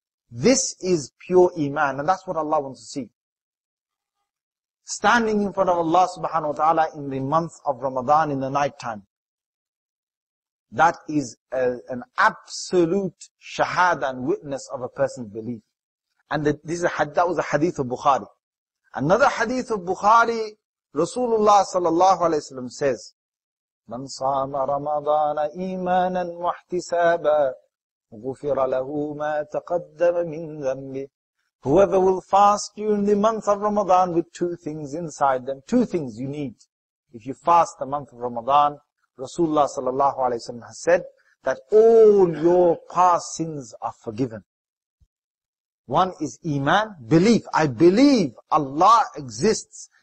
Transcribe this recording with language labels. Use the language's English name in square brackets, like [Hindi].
[English] This is pure iman. And that's what Allah wants to see. Standing in front of Allah subhanahu wa ta'ala in the month of Ramadan in the night time. That is an absolute shahada and witness of a person's belief. And that was a hadith of Bukhari. [Arabic] Another hadith of Bukhari, Rasulullah sallallahu alayhi wa sallam says, من صام رمضان إيمانا واحتسابا غفر له ما تقدم من ذنبه. [English] Whoever will fast during the month of Ramadan with two things inside them, two things you need. If you fast the month of Ramadan, Rasulullah sallallahu alayhi wa sallam has said that all your past sins are forgiven. One is iman, belief. I believe Allah exists.